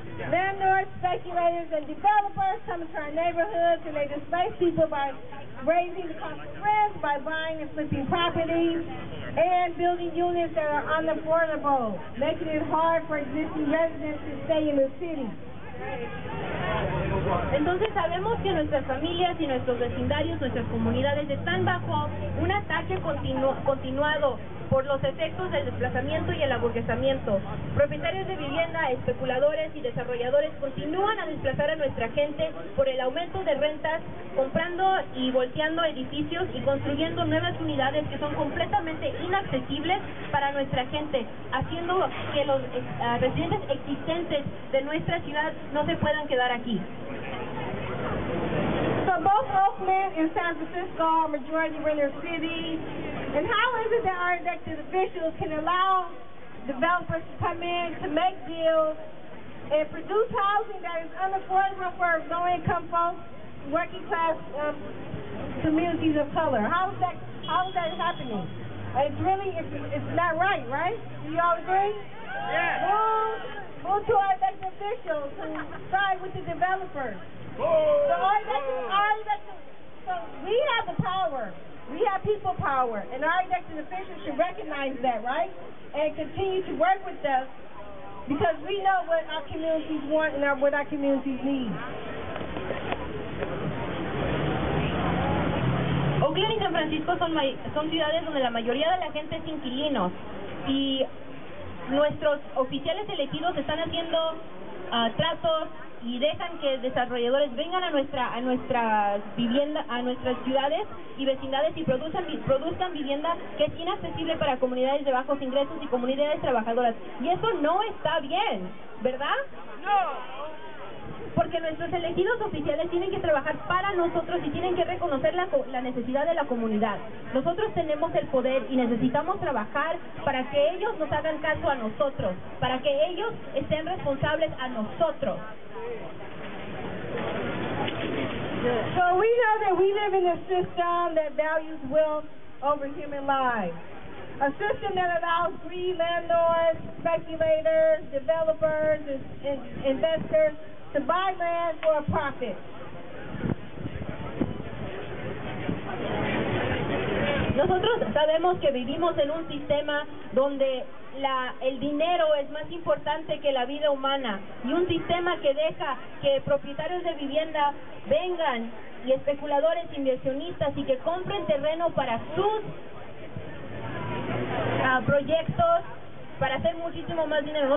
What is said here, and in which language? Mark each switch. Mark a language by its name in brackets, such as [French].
[English] Landlords, speculators, and developers come into our neighborhoods and they displace people by raising the cost of rent, by buying and flipping properties, and building units that are unaffordable, making it hard for existing residents to stay in the city. [Spanish] Entonces sabemos que nuestras familias y nuestros vecindarios, nuestras comunidades están bajo un ataque continuado por los efectos del desplazamiento y el aburguesamiento. Propietarios de vivienda, especuladores y desarrolladores continúan a desplazar a nuestra gente por el aumento de rentas, comprando y volteando edificios y construyendo nuevas unidades que son completamente inaccesibles para nuestra gente, haciendo que los residentes existentes de nuestra ciudad no se puedan quedar aquí. [English] So both Oakland and San Francisco are majority renter cities. And how is it that our elected officials can allow developers to come in to make deals and produce housing that is unaffordable for low-income folks, working class communities of color? How is that happening? It's not right, right? Do you all agree? Yes. Move to our elected officials who side with the developers. So we have the power. We have people power, and our elected officials should recognize that, right? And continue to work with us because we know what our communities want and what our communities need. [Spanish] Oakland y San Francisco son ciudades donde la mayoría de la gente es inquilinos y nuestros oficiales elegidos están haciendo tratos y dejan que desarrolladores vengan a nuestras ciudades y vecindades y produzcan vivienda que es inaccesible para comunidades de bajos ingresos y comunidades trabajadoras. Y eso no está bien, ¿verdad? No. Porque nuestros elegidos oficiales tienen que trabajar para nosotros y tienen que reconocer la necesidad de la comunidad. Nosotros tenemos el poder y necesitamos trabajar para que ellos nos hagan caso a nosotros, para que ellos estén responsables a nosotros. [English] So we know that we live in a system that values wealth over human lives. A system that allows greedy landlords, speculators, developers, and investors to buy land for a profit. [Spanish] Nosotros sabemos que vivimos en un sistema donde el dinero es más importante que la vida humana y un sistema que deja que propietarios de vivienda vengan y especuladores, inversionistas y que compren terreno para sus proyectos para hacer muchísimo más dinero.